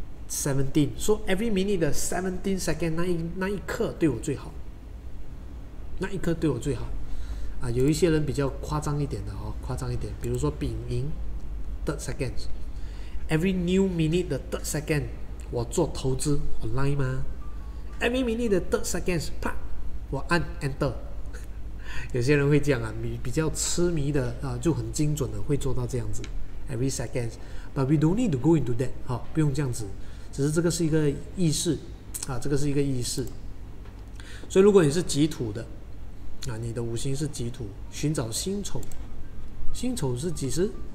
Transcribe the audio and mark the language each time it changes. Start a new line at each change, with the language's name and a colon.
Chinese: 17， 说
English: every minute
Chinese: 的 17 second， 那一刻对我最好，那一刻对我最好，啊，有一些人比较夸张一点的哦，夸张一点，比如说丙寅
English: third seconds， every new minute
Chinese: 的 third second， 我做投资 online 吗？
English: Every minute 的 third seconds， 啪，我按 enter。
Chinese: 有些人会这样啊，比较痴迷的啊，就很精准的会做到这样子。
English: Every seconds， but we don't need to go into that，
Chinese: 好、哦，不用这样子，只是这个是一个意识啊，这个是一个意识。所以如果你是己土的啊，你的五行是己土，寻找辛丑，辛丑是几时？